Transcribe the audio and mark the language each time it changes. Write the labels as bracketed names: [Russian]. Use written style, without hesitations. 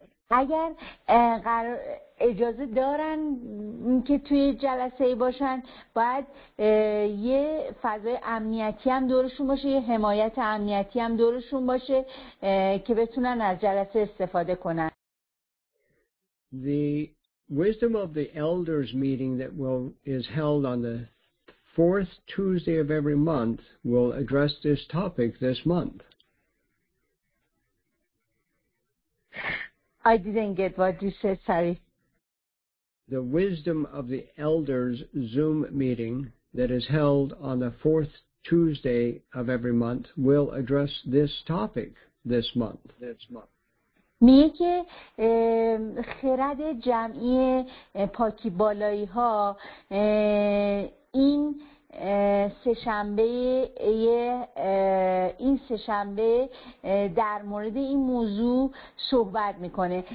[Persian] اگر اجازه دارن که توی جلسه باشن، باید یه فضای امنیتی هم دورشون باشه، یه حمایت امنیتی هم دورشون باشه که بتونن از جلسه استفاده کنن. [English] The wisdom of the elders meeting that is held on the fourth Tuesday of every month will address this topic this month. I didn't get what you said, sorry. The wisdom of the elders Zoom meeting that is held on the fourth Tuesday of every month will address this topic this month. [Persian] میگه که خرد جمعی پاکی بالایی ها این سه‌شنبه در مورد این موضوع صحبت میکنه.